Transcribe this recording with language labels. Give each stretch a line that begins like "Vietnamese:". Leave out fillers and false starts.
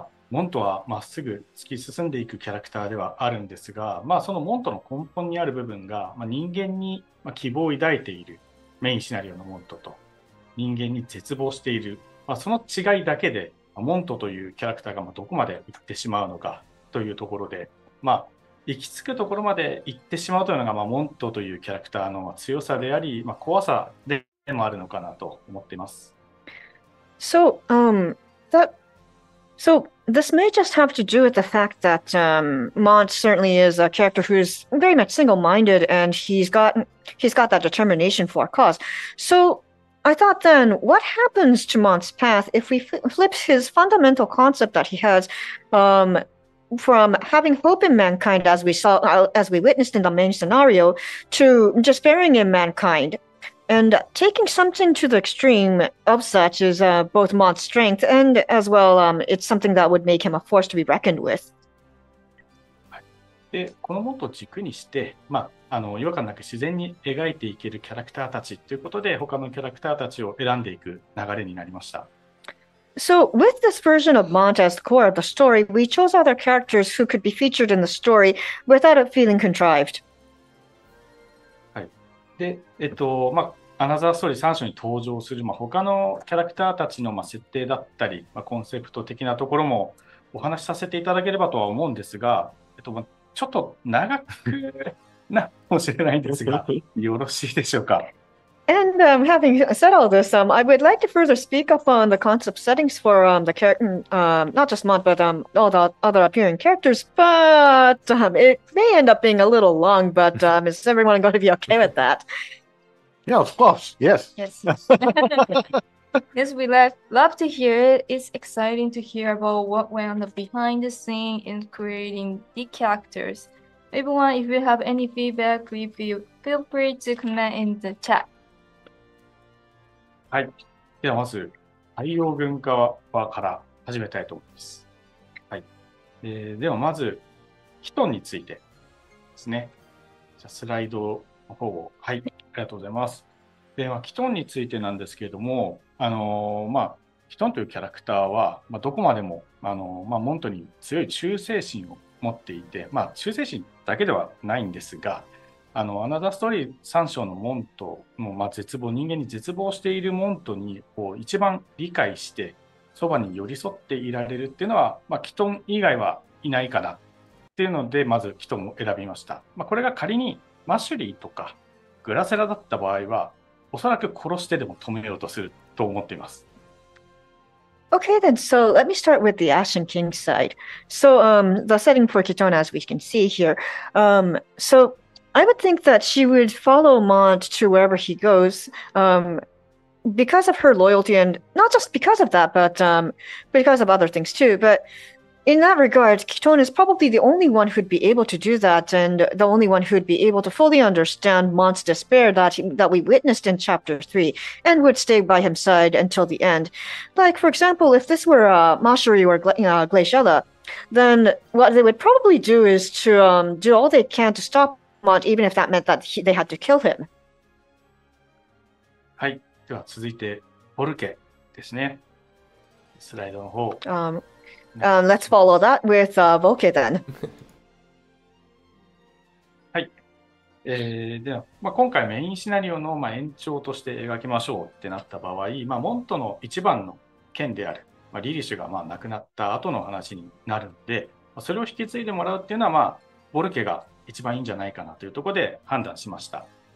Japanese: モントはまっすぐ突き進んでいくキャラクターではあるんですが、まあ、そのモントの根本にある部分が、まあ、人間に希望を抱いているメインシナリオのモントと人間に絶望している、まあ、その違いだけでモントというキャラクターがどこまで行ってしまうのかというところで、まあ、行き着くところまで行ってしまうというのがモントというキャラクターの強さであり、まあ、怖さでもあるのかなと思っています。
English: So, So this may just have to do with the fact that Mont certainly is a character who's very much single-minded, and he's got that determination for a cause. So I thought then, what happens to Mont's path if we flip his fundamental concept that he has from having hope in mankind, as we saw, as we witnessed in the main scenario, to despairing in mankind? And taking something to the extreme of such is both Mont's strength and as well, it's something that would make him a force to be reckoned with.
Japanese: で、このモントを軸にして、まあ、違和感なく自然に描いていけるキャラクターたちということで、他のキャラクターたちを選んでいく流れになりました。
English: So with this version of Mont as the core of the story, we chose other characters who could be featured in the story without it feeling contrived.
Japanese: で、まあ、アナザーストーリー3章に登場する、まあ、他のキャラクターたちの、まあ、設定だったり、まあ、コンセプト的なところもお話しさせていただければとは思うんですが、まあ、ちょっと長くなかもしれないんですが、よろしいでしょうか。
English: And having said all this, I would like to further speak up on the concept settings for the character, not just Mont, but all the other appearing characters. But it may end up being a little long, but is everyone going to be okay with that? Yeah, of course. Yes. Yes. Yes, we love to hear it. It's exciting to hear about what went on the behind the scene in creating the characters. Everyone, if you have any feedback, please feel free to comment in the chat.
Japanese: はい、ではまず太陽軍側から始めたいと思います、はい、ではまずヒトンについてですね。じゃスライドの方を、はい、ありがとうございます。で、まあ、ヒトンについてなんですけれども、まあ、ヒトンというキャラクターは、まあ、どこまでも、まあ、モントに強い忠誠心を持っていて、まあ、忠誠心だけではないんですが、アナザーストーリー3章のモントの、まあ、絶望、人間に絶望しているモントにこう一番理解してそばに寄り添っていられるっていうのは、まあ、キトン以外はいないかなっていうのでまずキトンを選びました、まあ、これが仮にマシュリーとかグラセラだった場合はおそらく殺してでも止めようとすると思っています。
English: Okay, then, so let me start with the Ashen King side. So, the setting for Kiton, as we can see here, so I would think that she would follow Mont to wherever he goes, because of her loyalty, and not just because of that, but because of other things too. But in that regard, Kiton is probably the only one who'd be able to do that, and the only one who'd be able to fully understand Mont's despair that we witnessed in Chapter 3, and would stay by his side until the end. Like, for example, if this were Mashuri or Glaciella, then what they would probably do is to do all they can to stop Mont, even if that meant that they had to kill him.
Japanese: はい、では続いてボルケですね。スライドの方。
English: Let's follow that with Volke then.
Japanese: はい、では、まあ、今回メインシナリオの、まあ、延長として描きましょうってなった場合、まあ、モントの一番の剣である、まあ、リリシュが、まあ、亡くなった後の話になるんで、まあ、それを引き継いでもらうっていうのは、まあ、ボルケが一番いいんじゃないかなというところで判断しました。